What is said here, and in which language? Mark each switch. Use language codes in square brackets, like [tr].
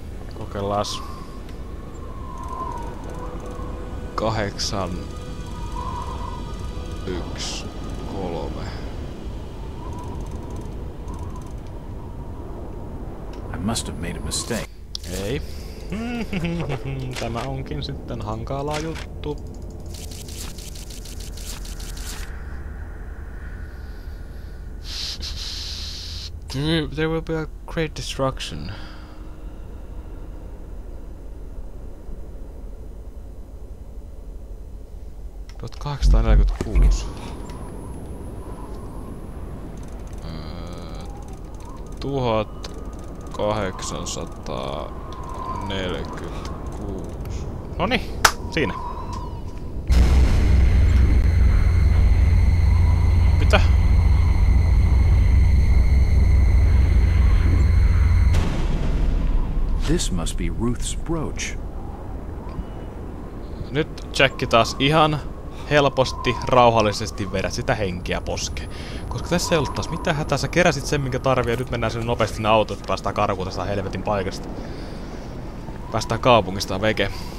[fi] Okay. Kokeillaas. 8, 1, 3. [en] I must have made a mistake. [fi] Ei. Tämä onkin sitten hankala juttu. [en] There will be a great destruction. But 846. [fi] Tuhat 846. No niin, siinä. Mitä? [en] This must be Ruth's brooch. [fi] Nyt Jack taas ihan helposti, rauhallisesti vedät sitä henkeä poske. Koska tässä ei ollut taas mitään hätää, sä keräsit sen minkä tarvii ja nyt mennään sinne nopeasti autoon, että päästään karkuun tästä helvetin paikasta. Päästään kaupungista veke.